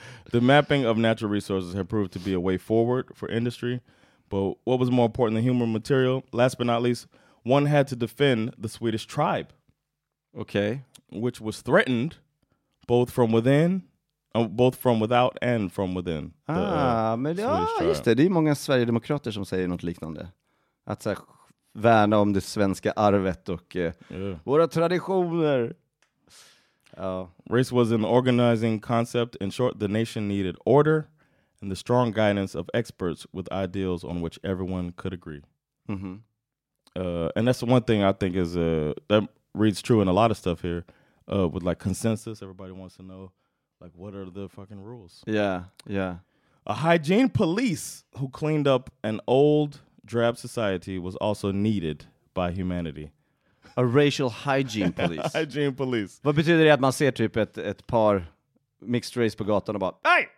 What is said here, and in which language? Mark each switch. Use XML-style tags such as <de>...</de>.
<en>The mapping of natural resources had proved to be a way forward for industry. But what was more important than human material? Last but not least, one had to defend the Swedish tribe. Okay. Which was threatened both from within... Both from without and from within.</en> <sv>Just det. Det är många sverigedemokrater som säger något liknande. Att så här, värna om det svenska arvet och våra traditioner.</sv> <en>Race was an organizing concept. In short, the nation needed order and the strong guidance of experts with ideals on which everyone could agree. Mm-hmm. And that's the one thing I think is that reads true in a lot of stuff here. With like consensus, everybody wants to know. Like, what are the fucking rules? Yeah, yeah. A hygiene police who cleaned up an old, drab society was also needed by humanity. A racial hygiene police. Hygiene police.</en> <sv>Vad betyder det att man ser typ ett par</sv> <en>mixed race</en> <sv>på gatan och bara,</sv>